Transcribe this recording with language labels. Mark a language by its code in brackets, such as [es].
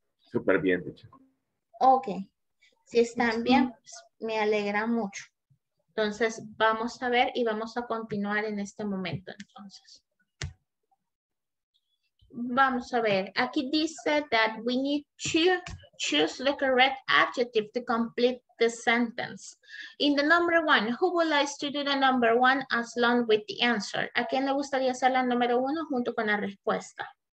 [es] Súper bien, de hecho. Ok. Si están bien, pues me alegra mucho. Entonces, vamos a ver y vamos a continuar en este momento, entonces. Vamos a ver. Aquí dice [en] that we need to choose the correct adjective to complete the sentence. In the number one, who would like to do the number one as long with the answer? [es] ¿A quién le gustaría hacer la número uno junto con la respuesta?